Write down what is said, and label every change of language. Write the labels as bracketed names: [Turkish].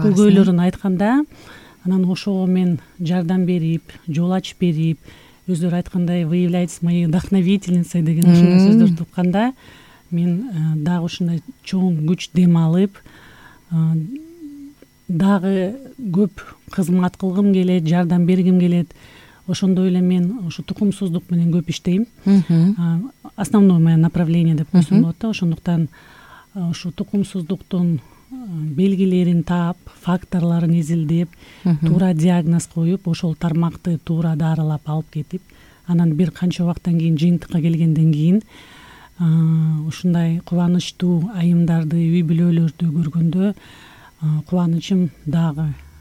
[Kyrgyz] көйгөйлөрүн айтканда, анан ошого мен жардам берип, жол ачып берип, өздөрү айткандай [Russian] вы являетесь моей вдохновительницей [Kyrgyz] деген ушундай сөздөрдү укканда мен дагы ушундай чоң күч дем алып, дагы көп кызмат кылгым келет, жардам бергим келет. Ошондой эле мен ушу тукумсуздук менен көп иштейм. [Russian] Основное мое направление [Kyrgyz] деп койсом болот да. Ошондуктан ушу тукумсуздуктун белгилерин таап, факторлорун изилдеп, туура диагноз коюп, ошол тармакты туура дарылап алып кетип, анан бир канча убакыттан кийин жыйынтыкка келгенден кийин ушундай кубанычтуу айымдарды, үй бүлөлөрдү көргөндө кубанычым дагы